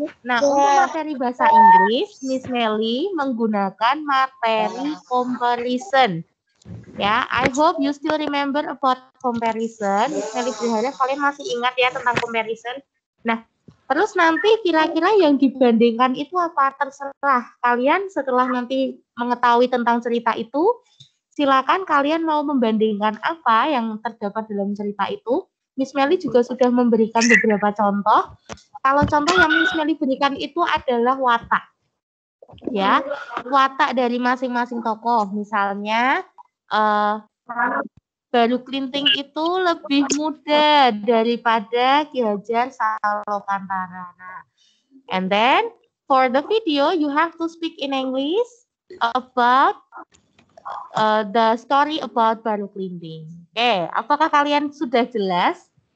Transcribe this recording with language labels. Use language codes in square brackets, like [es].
[id] Nah, untuk materi bahasa Inggris, Miss Melly menggunakan materi comparison. [en] Ya, I hope you still remember about comparison. [id] Miss Melly berharap kalian masih ingat ya tentang comparison. Nah, terus nanti kira-kira yang dibandingkan itu apa? Terserah kalian setelah nanti mengetahui tentang cerita itu. Silakan kalian mau membandingkan apa yang terdapat dalam cerita itu. Miss Melly juga sudah memberikan beberapa contoh. Kalau contoh yang Miss Melly berikan itu adalah watak. Ya, watak dari masing-masing tokoh. Misalnya, Baru Klinting itu lebih muda daripada Ki Hajar Salokantara. [en] And then, for the video, you have to speak in English about the story about Baru Klinting. [id] Oke, apakah kalian sudah jelas?